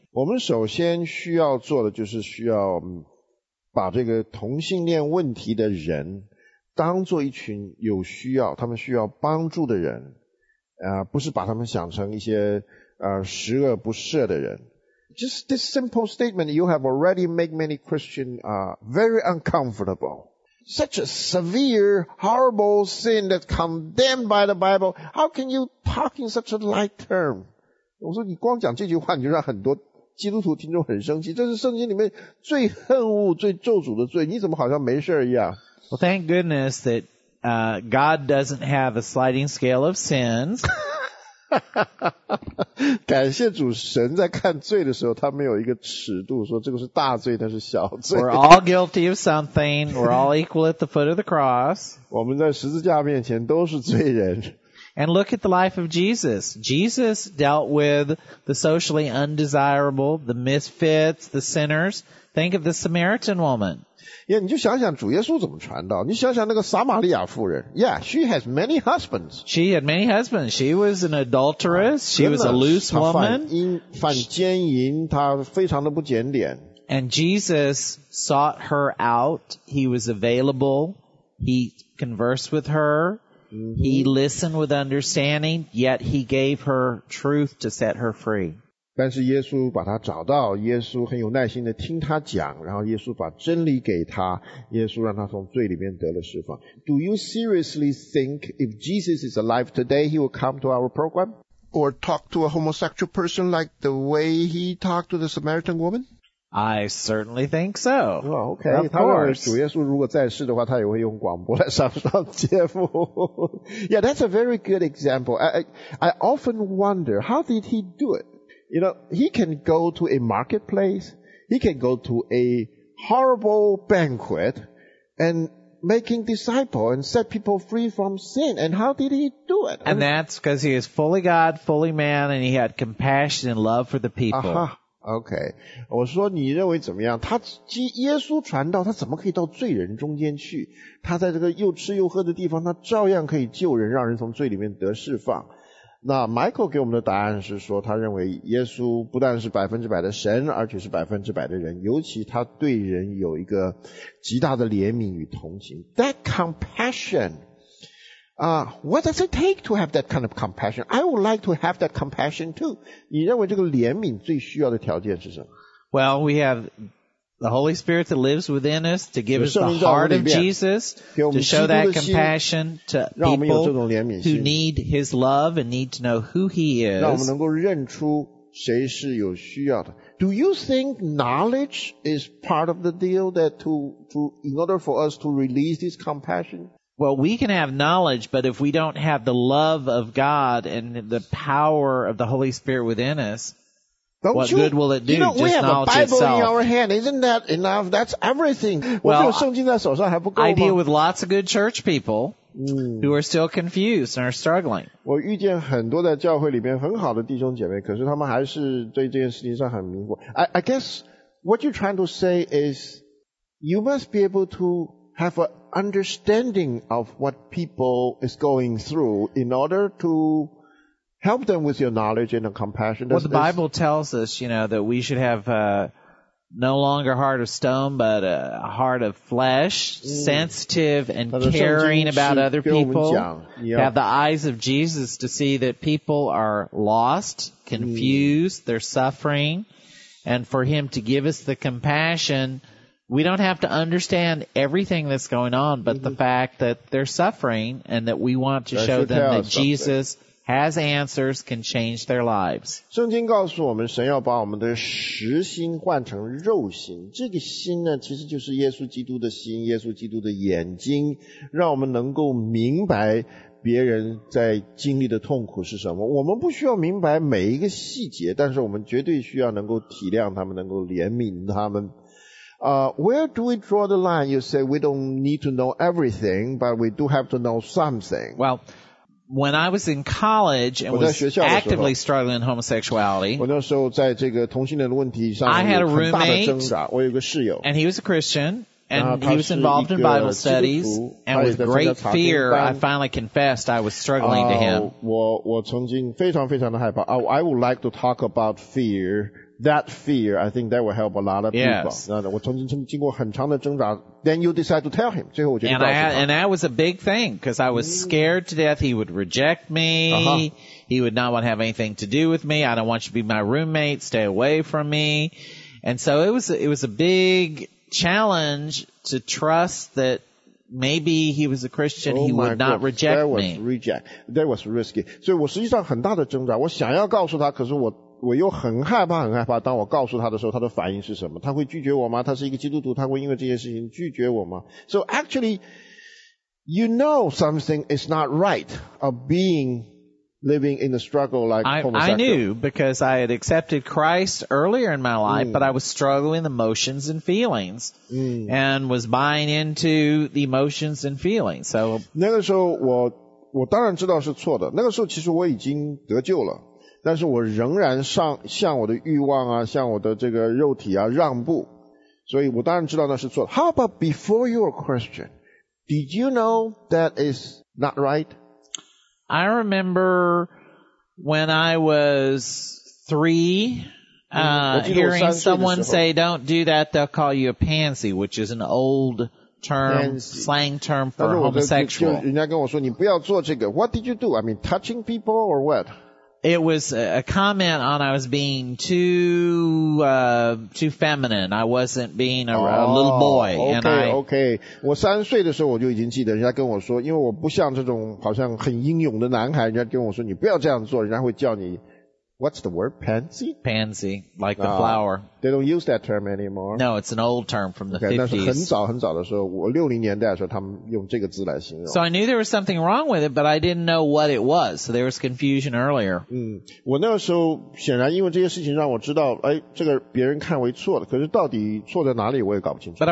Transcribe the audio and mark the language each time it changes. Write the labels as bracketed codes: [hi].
[zh] 我们首先需要做的就是需要。把这个同性恋问题的人当做一群有需要他们需要帮助的人不是把他们想成一些十恶不赦的人。 [en] Just this simple statement, you have already made many Christians very uncomfortable. Such a severe, horrible sin that's condemned by the Bible. How can you talk in such a light term? [zh] 我说你光讲这句话你就让很多基督徒听众很生气这是圣经里面最恨恶最咒诅的罪你怎么好像没事一样 [en] Well, thank goodness that, God doesn't have a sliding scale of sins. [zh] 感谢主神在看罪的时候他没有一个尺度说这个是大罪那是小罪。 [en] We're all guilty of something. We're all equal at the foot of the cross. [zh] 我们在十字架面前都是罪人。 [en] And look at the life of Jesus. Jesus dealt with the socially undesirable, the misfits, the sinners. Think of the Samaritan woman. [zh] Yeah, 你就想想主耶稣怎么传道。你想想那个撒玛利亚妇人。 [en] Yeah, she has many husbands. She had many husbands. She was an adulteress. She was a loose woman. [zh] 她犯奸淫她非常的不检点。 [en] And Jesus sought her out. He was available. He conversed with her. He listened with understanding, yet he gave her truth to set her free. [zh] 但是耶稣把他找到，耶稣很有耐心的听他讲，然后耶稣把真理给他，耶稣让他从罪里面得了释放。 [en] Do you seriously think if Jesus is alive today, he will come to our program? Or talk to a homosexual person like the way he talked to the Samaritan woman? I certainly think so. Oh, okay. Of course. [zh] 主耶稣如果在世的话他也会用广播来上上节目。 [en] Yeah, that's a very good example. I often wonder, how did he do it? You know, he can go to a marketplace, he can go to a horrible banquet, and making disciples and set people free from sin. And how did he do it? And that's because he is fully God, fully man, and he had compassion and love for the people. Uh-huh. [zh] OK, 我说你认为怎么样他耶稣传道他怎么可以到罪人中间去他在这个又吃又喝的地方他照样可以救人让人从罪里面得释放。那 Michael 给我们的答案是说他认为耶稣不但是百分之百的神而且是百分之百的人尤其他对人有一个极大的怜悯与同情。 [en] That compassion,what does it take to have that kind of compassion? I would like to have that compassion too. [zh] 你认为这个怜悯最需要的条件是什么? [en] Well, we have the Holy Spirit that lives within us to give us the heart of Jesus to show that compassion to people who need His love and need to know who He is. [zh] 让我们能够认出谁是有需要的。 [en] Do you think knowledge is part of the deal that to in order for us to release this compassion? Well, we can have knowledge, but if we don't have the love of God and the power of the Holy Spirit within us, What good will it do? You know, just we have a Bible itself. In our hand. Isn't that enough? That's everything. Well, I deal with lots of good church people. Who are still confused and are struggling. [zh] 我遇见很多在教会里面很好的弟兄姐妹，可是他们还是对这件事情上很迷惑。 [en] I guess what you're trying to say is you must be able to have an understanding of what people is going through in order to help them with your knowledge and compassion. Well, the Bible tells us, you know, that we should have no longer heart of stone, but a heart of flesh, sensitive and caring about other people. Have the eyes of Jesus to see that people are lost, confused, they're suffering. And for him to give us the compassion, we don't have to understand everything that's going on, but the fact that they're suffering and that we want to show them that Jesus has answers can change their lives. [zh] 圣经告诉我们神要把我们的实心换成肉心，这个心呢其实就是耶稣基督的心，耶稣基督的眼睛，让我们能够明白别人在经历的痛苦是什么。我们不需要明白每一个细节，但是我们绝对需要能够体谅他们，能够怜悯他们。 [en] Where do we draw the line? You say we don't need to know everything, but we do have to know something. Well,When I was in college and was actively struggling in homosexuality, I had a roommate, and he was a Christian, and he was involved in Bible studies, and with great fear, I finally confessed I was struggling to him. [zh] 我曾经非常非常的害怕。 [en] I would like to talk about fear. That fear, I think that will help a lot of people. [zh] 我曾经经过很长的挣扎。 [en] Then you decide to tell him. And that was a big thing because I was scared to death. He would reject me. He would not want to have anything to do with me. I don't want you to be my roommate. Stay away from me. And so it was a big challenge to trust that maybe he was a Christian. Oh, he would not reject me. That was risky. [zh] So 我实际上很大的挣扎。我想要告诉他，可是我又很害怕，很害怕。当我告诉他的时候，他的反应是什么？他会拒绝我吗？他是一个基督徒，他会因为这些事情拒绝我吗？ [en] So actually, you know something is not right of being living in a struggle like homosexual. I knew because I had accepted Christ earlier in my life, but I was struggling with emotions and feelings, and was buying into the emotions and feelings. So [zh] 那个时候我当然知道是错的。那个时候其实我已经得救了。但是我仍然向我的欲望啊，向我的这个肉体啊让步，所以我当然知道那是错的。 [en] How about before you were Christian? Did you know that is not right? I remember when I was three, hearing someone say, "Don't do that; they'll call you a pansy," which is an old slang term for homosexual. [zh] 人家跟我说你不要做这个。 [en] What did you do? I mean, touching people or what? It was a comment on I was being too feminine. I wasn't being a little boy. Okay. [zh] 我三岁的时候我就已经记得人家跟我说，因为我不像这种好像很英勇的男孩，人家跟我说你不要这样做，人家会叫你 [en] What's the word? Pansy? Pansy, like the flower. They don't use that term anymore. No, it's an old term from the [zh] 50s. 那是很早很早的时候，我六零年代的时候，他们用这个字来形容。 [en] So I knew there was something wrong with it, but I didn't know what it was. So there was confusion earlier. [zh] 我那个时候显然因为这些事情让我知道，哎，这个别人看为错的，可是到底错在哪里我也搞不清楚。